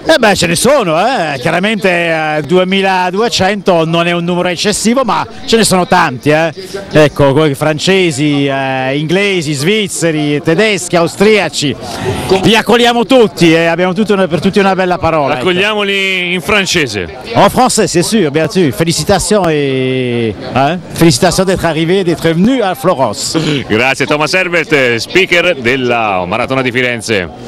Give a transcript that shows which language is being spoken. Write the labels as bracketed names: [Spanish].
[Italian] Eh beh, ce ne sono, chiaramente 2200 non è un numero eccessivo, ma ce ne sono tanti, Ecco, i francesi, inglesi, svizzeri, tedeschi, austriaci, li accogliamo tutti e abbiamo tutti per tutti una bella parola. Accogliamoli ecco. In francese. [French] En français, c'est sûr, bien sûr. Félicitations et félicitations d'être arrivé, d'être venu à Florence. [Italian] Grazie Thomas Herbert, speaker della Maratona di Firenze.